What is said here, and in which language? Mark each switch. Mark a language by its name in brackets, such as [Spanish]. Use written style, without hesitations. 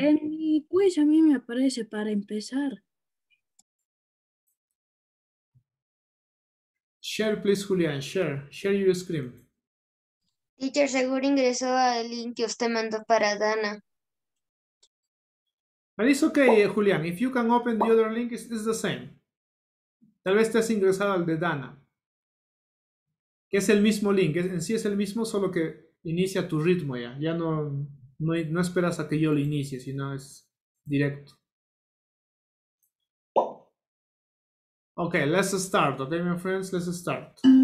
[Spanish] En mi quiz a mí me aparece para empezar. [English] Share, please, Julian. Share your screen. [Spanish] Teacher, seguro ingresó al link que usted mandó para Dana. [English] But it's okay, Julian, if you can open the other link, it's the same. [Spanish] Tal vez te has ingresado al de Dana. Que es el mismo link, en sí es el mismo, solo que inicia tu ritmo ya. Ya no esperas a que yo lo inicie, sino es directo. [English] Okay, let's start, okay, my friends, let's start.